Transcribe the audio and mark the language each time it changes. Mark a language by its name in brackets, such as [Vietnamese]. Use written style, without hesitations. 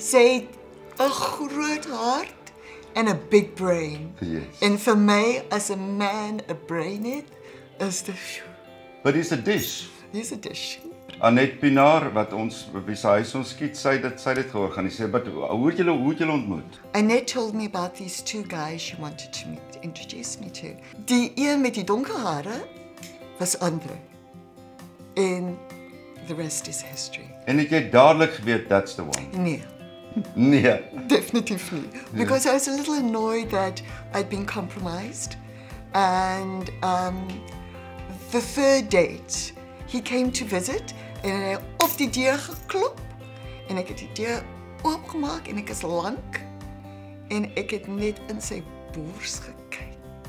[Afrikaans] Sy het 'n groot hart en 'n [English] big brain. Yes. [Afrikaans] En vir my as 'n man 'n brain het, is dit. [English] But he's a dish. He's a dish. [Afrikaans] Annette Pinaar wat ons by sy huis ons skiet, sy dit gehoor gaan. Sy sê, "But hoe het julle ontmoet?" [English] Annette told me about these two guys she wanted to meet, introduce me to. [Afrikaans] Die een met die donker hare was Andre. [English] En the rest is history. [Afrikaans] En ek het dadelik geweet [English] that's the one. [Afrikaans] Nee. Nee. [English] Definitely. Because yeah. I was a little annoyed that I'd been compromised. And the third date, he came to visit [Afrikaans] en hy op die deur geklop en ek het die deur oopgemaak en ek is lank en ek het net in sy bors gekyk.